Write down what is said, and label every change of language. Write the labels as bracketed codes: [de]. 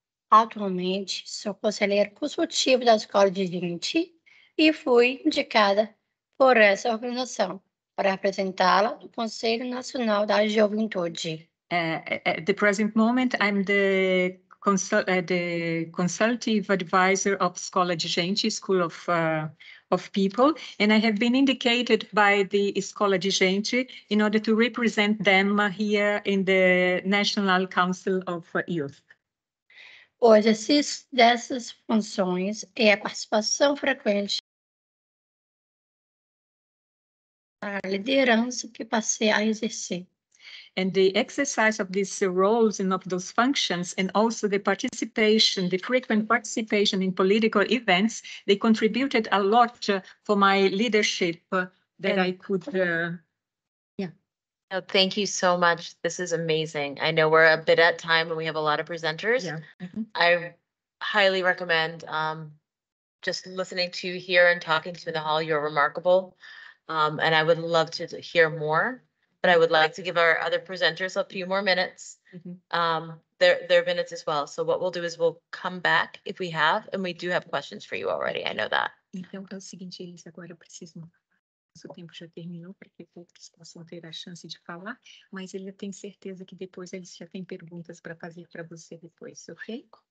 [pt] Atualmente sou conselheira consultiva da Escola de Gente e fui indicada por essa organização para apresentá-la no Conselho Nacional da Juventude. [en] At the present moment, I'm the the consultative advisor of Escola de Gente, School of People, and I have been indicated by the Escola de Gente in order to represent them here in the National Council of Youth. [pt] Hoje, dessas funções é a participação frequente na liderança que passei a exercer. [en] And the exercise of these roles and of those functions, and also the participation, the frequent participation in political events, they contributed a lot for my leadership that I could. Oh, thank you so much. This is amazing. I know we're a bit at time and we have a lot of presenters. I highly recommend just listening to you here and talking to you in the hall. You're remarkable. And I would love to hear more. But I would like to give our other presenters a few more minutes, their minutes as well. So what we'll do is we'll come back if we have, and we do have questions for you already. I know that. [pt] Então é o seguinte, Elif, agora eu preciso. Nosso tempo já terminou para que todos possam ter a chance de falar, mas ele tem certeza que depois eles já têm perguntas para fazer para você depois, ok?